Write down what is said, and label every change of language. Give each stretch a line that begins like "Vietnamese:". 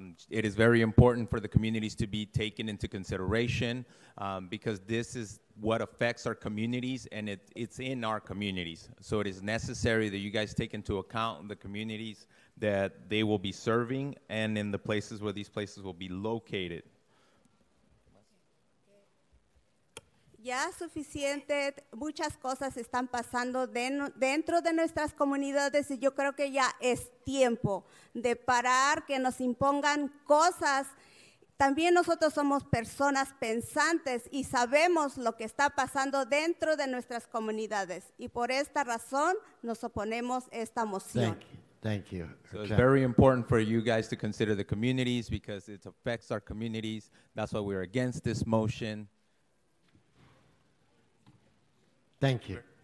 English: It is very important for the communities to be taken into consideration because this is what affects our communities, and it's in our communities. So it is necessary that you guys take into account the communities that they will be serving and in the places where these places will be located.
Spanish: Ya suficiente, muchas cosas están pasando dentro de nuestras comunidades y yo creo que ya es tiempo de parar, que nos impongan cosas. También nosotros somos personas pensantes y sabemos lo que está pasando dentro de nuestras comunidades. Y por esta razón nos oponemos a esta moción.
English: Thank you. So it's very important for you guys to consider the communities because it affects our communities. That's why we're against this motion. Thank you.